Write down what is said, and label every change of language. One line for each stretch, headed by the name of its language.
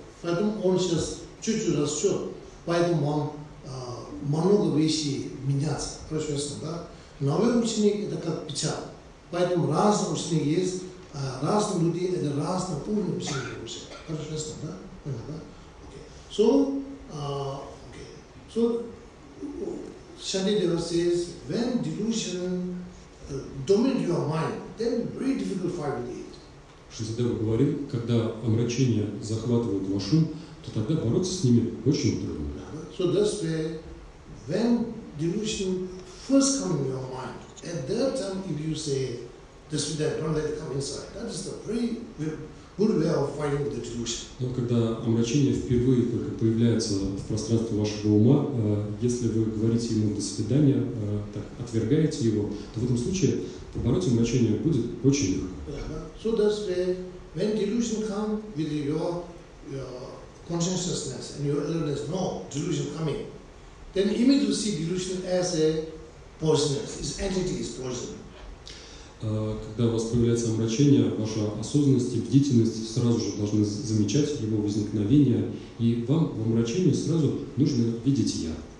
Russian: Поэтому он сейчас чуть-чуть растет. Поэтому вам много вещей меняться. Прошу ясно, да? Новый ученик – это как печаль. Поэтому разные ученики есть, разные люди – это разные уровни психологии. Прошу ясно, да? Понятно, да?
English: Okay. So, okay. So, Shantideva says, when delusion dominates your mind, then very difficult fight with it.
Russian: Шантидева говорит, когда омрачение захватывает ваш ум, то тогда бороться с ними очень трудно.
English: So that's where, when delusion first comes in your mind, at that time, if you say, don't let it come inside, that is the very good way of fighting the delusion.
Russian: Но когда омрачение впервые только появляется в пространстве вашего ума, если вы говорите ему «до свидания», так, отвергаете его, то в этом случае побороть омрачение будет очень легко.
English: So that's where, when delusion comes with your consciousness and your awareness, no, delusion coming, then immediately see delusion as a poisonous, its entity is poisonous.
Russian: Когда у вас появляется омрачение, ваша осознанность и бдительность сразу же должны замечать его возникновение, и вам в омрачении сразу нужно видеть «я».